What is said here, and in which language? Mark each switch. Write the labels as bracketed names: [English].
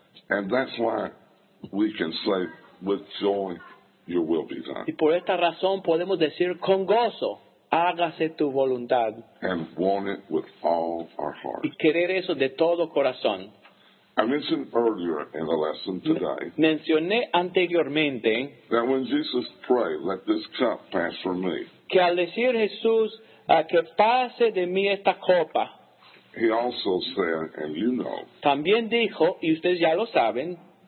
[English] And that's why we can say with joy, your will be done. [Spanish] Y por esta razón podemos decir con gozo, hágase tu voluntad. [English] And want it with all our heart. [Spanish] Y querer eso de todo corazón. [English] I mentioned earlier in the lesson today. [Spanish] Mencioné anteriormente. [English] That when Jesus prayed, let this cup pass from me. [Spanish] Que al decir Jesús, que pase de mí esta copa. [English] He also said, and you know. [Spanish] También dijo, y ustedes ya lo saben.